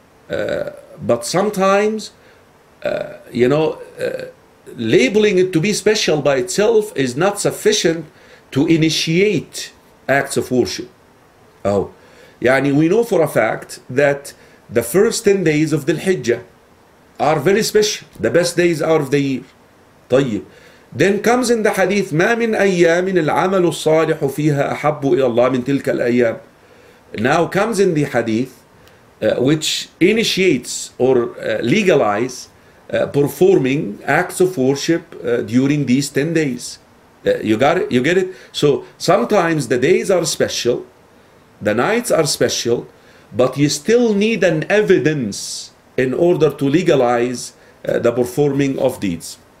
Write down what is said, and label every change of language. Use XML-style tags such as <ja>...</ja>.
<en>But sometimes, labeling it to be special by itself is not sufficient to initiate acts of worship. Oh, yani we know for a fact that the first 10 days of the Hijjah are very special, the best days out of the year.</en> <ar>طيب.</ar> <en>Then comes in the hadith,</en> <ar>ما من أيام العمل الصالح فيها أحب إلى الله من تلك الأيام.</ar> <en>Now comes in the hadith, which initiates or legalize performing acts of worship during these 10 days. You got it? You get it? So sometimes the days are special, the nights are special, but you still need an evidence in order to legalize the performing of deeds.</en>